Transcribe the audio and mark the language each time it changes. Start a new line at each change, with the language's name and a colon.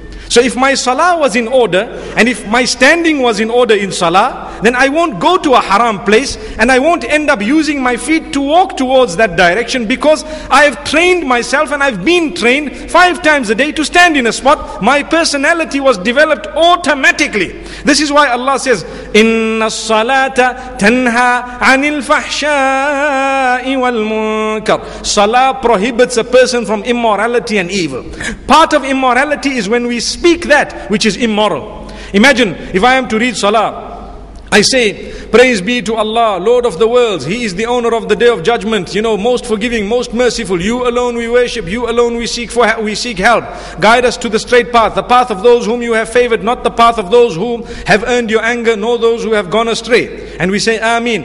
English: So if my salah was in order, and if my standing was in order in salah, then I won't go to a haram place, and I won't end up using my feet to walk towards that direction, because I've trained myself and I've been trained 5 times a day to stand in a spot. My personality was developed automatically. This is why Allah says,
Arabic: إِنَّ الصَّلَاةَ تَنْهَى عَنِ الْفَحْشَاءِ وَالْمُنْكَرِ.
English: Salah prohibits a person from immorality and evil. Part of immorality is when we speak that which is immoral. Imagine if I am to read salah, I say, praise be to Allah, Lord of the worlds. He is the owner of the day of judgment. You know, most forgiving, most merciful. You alone we worship. You alone we seek help. Guide us to the straight path, the path of those whom you have favored, not the path of those who have earned your anger, nor those who have gone astray. And we say, Ameen.